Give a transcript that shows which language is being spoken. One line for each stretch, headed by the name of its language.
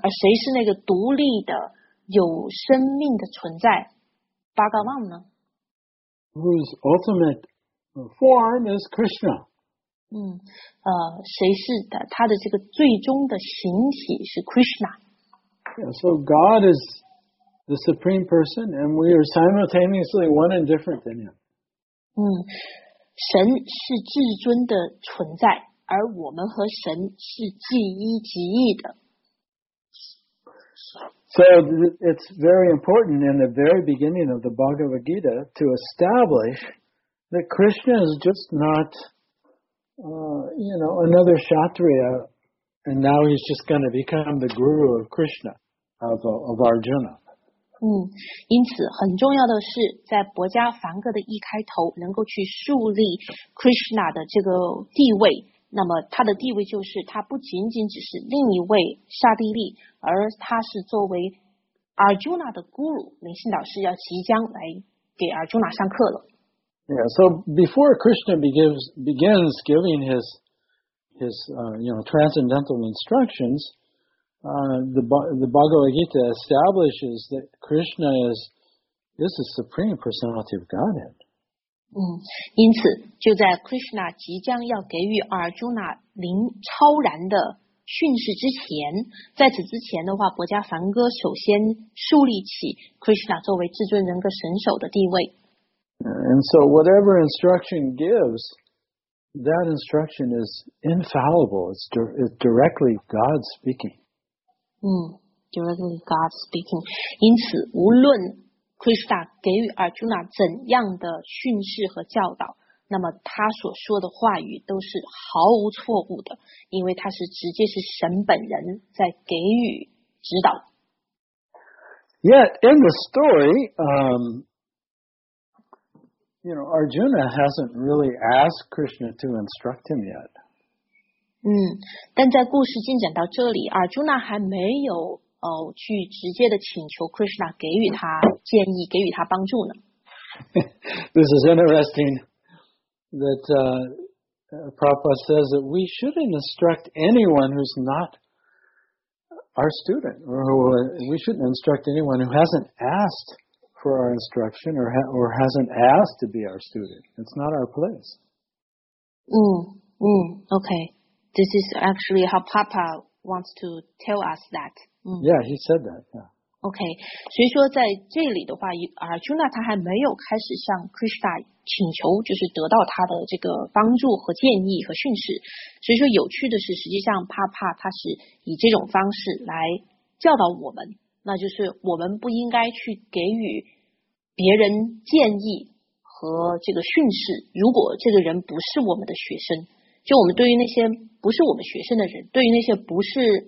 Chinese: 而谁是那个独立的有生命的存在 ,Bhagavan 呢？
English: Whose ultimate form is Krishna.
Chinese: 谁是的他的这个最终的形体是 Krishna.
English: Yeah, so God is the Supreme Person, and we are simultaneously one and different than Him.
Chinese: 神是至尊的存在，而我们和神是即一即一的。
English: So it's very important in the very beginning of the Bhagavad Gita to establish that Krishna is just not, another Kshatriya, and now he's just going to become the guru of Krishna, of Arjuna.
Chinese: 因此很重要的是在博迦梵歌的一开头能够去树立 Krishna 的这个地位。那么他的地位就是他不仅仅只是另一位刹帝利，而他是作为 Arjuna 的 guru， 灵性导师要即将来给 Arjuna 上课了。
English: Yeah, so before Krishna begins giving his transcendental instructions, the Bhagavad Gita establishes that Krishna is the supreme personality of Godhead.
Chinese: 因此就在 Krishna 即将要给予 Arjuna 灵超然的训示之前，在此之前的话，博迦梵歌首先树立起 Krishna 作为至尊人格神首的地位。
English: And so whatever instruction gives, that instruction is infallible. It's directly God speaking. Directly God speaking.
Chinese: 因此无论Krishna 给予 Arjuna 怎样的训示和教导，那么他所说的话语都是毫无错误的，因为他是直接是神本人在给予指导。
English: Yet in the story, Arjuna hasn't really asked Krishna to instruct him yet.
Chinese: 但在故事进展到这里， Arjuna 还没有去直接的请求 Krishna 给予他建议，给予他帮助呢。
English: This is interesting that Prabhupada says that we shouldn't instruct anyone who's not our student, or we shouldn't instruct anyone who hasn't asked for our instruction or hasn't asked to be our student. It's not our place. Okay. This is actually how Papa wants to tell us that. Yeah, he said that. Yeah.
Chinese: Okay, 所以说在这里的话，Arjuna 他还没有开始向 Krishna 请求，就是得到他的这个帮助和建议和训示。所以说有趣的是，实际上Papa他是以这种方式来教导我们，那就是我们不应该去给予别人建议和这个训示，如果这个人不是我们的学生，就我们对于那些不是我们学生的人，对于那些不是